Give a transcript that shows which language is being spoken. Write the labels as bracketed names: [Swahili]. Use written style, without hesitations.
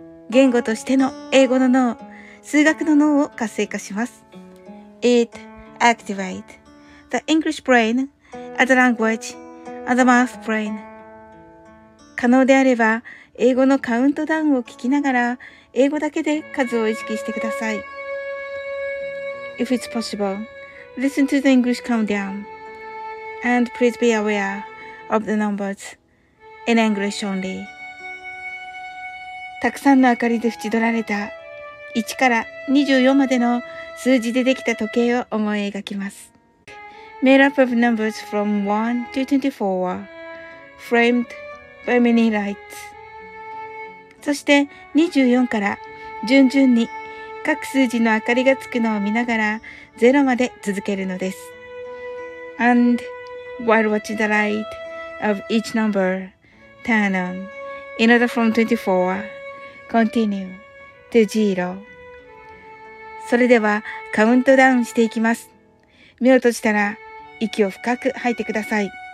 [Japanese] 言語としての英語の脳、数学の脳を活性化します。 [English] It activates the English brainAs a language, as a math brain. [Japanese] 可能であれば、英語のカウントダウンを聞きながら、英語だけで数を意識してください。 [English] If it's possible, listen to the English countdown. And please be aware of the numbers in English only. [Japanese] たくさんの明かりで縁取られた1から24までの数字でできた時計を思い描きます。 [English] Made up of numbers from 1 to 24, framed by many lights. [Japanese] そして24から順々に各数字の明かりがつくのを見ながら0まで続けるのです。 [English] And while watching the light of each number turn on, in order from 24, continue to 0. [Japanese] それではカウントダウンしていきます。目を閉じたら息を深く吐いてください。